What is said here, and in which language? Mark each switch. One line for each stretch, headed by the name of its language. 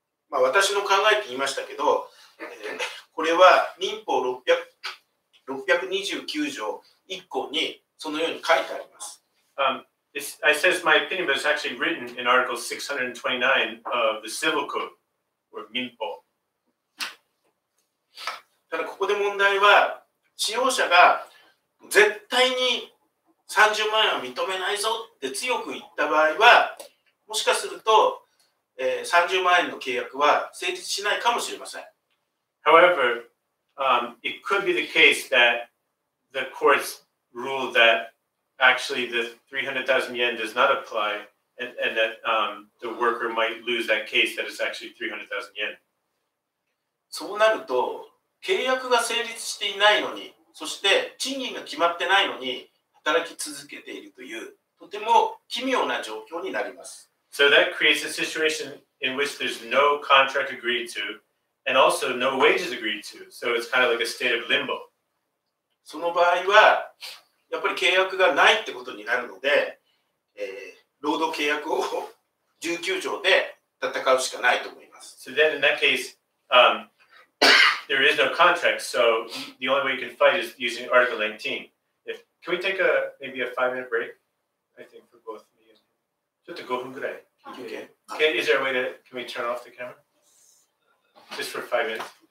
Japanese: まあ私の考えって言いましたけど、これは民法600、 129条1項にそのように書いてあります。
English: It says my opinion, but it's actually written in Article 629 of the Civil Code, or 民法。
Japanese: ただここで問題は、使用者が絶対に30万円は認めないぞって強く言った場合は、もしかすると、30万円の契約は成立しないかもしれません。
English: However, it could be the case that the courts rule that actually the 300,000 yen does not apply and that the worker might lose that case that it's actually 300,000 yen.
Japanese: そうなると、契約が成立していないのに、そして賃金が決まってないのに、働き続けているという、とても奇妙な状況になります。
English: So that creates a situation in which there's no contract agreed to, and also no wages agreed to. So it's kind of like a state of limbo.
Japanese: その場合は、やっぱり契約がないってことになるので、労働契約を19条で戦うしかないと思います。
English: So then in that case, there is no contract, so the only way you can fight is using Article 19. Can we take maybe a 5-minute break? I think for both of you. Just a 5 minutes. Okay. Is there a way to, can we turn off the camera? Just for 5 minutes.